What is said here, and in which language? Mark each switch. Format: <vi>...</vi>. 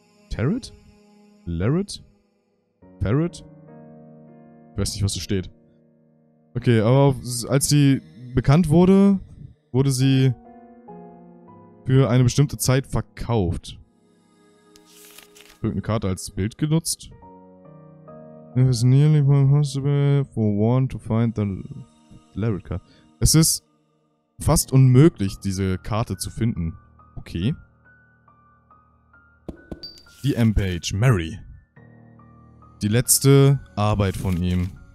<de>Tarot? Larrot? Parrot? Ich weiß nicht, was da steht. Okay, aber als sie bekannt wurde, wurde sie für eine bestimmte Zeit verkauft. Irgendeine Karte als Bild genutzt.</de> <en>It is nearly impossible for one to find the Larrot card.</en> <de>Es ist fast unmöglich, diese Karte zu finden. Okay. Die M-Page, Mary. Die letzte Arbeit von ihm.</de>